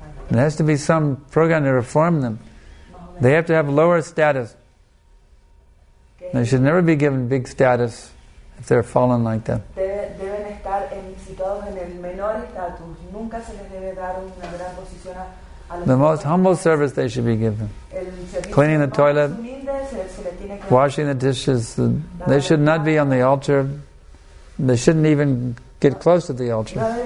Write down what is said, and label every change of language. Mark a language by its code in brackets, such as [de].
[en] There has to be some program to reform them. They have to have lower status. They should never be given big status if they're fallen like that. [es] Deben estar situados en el menor estatus. Nunca se les debe dar una gran posición a [en] the most humble service they should be given. Cleaning the toilet, washing the dishes. They should not be on the altar. They shouldn't even get close to the altar.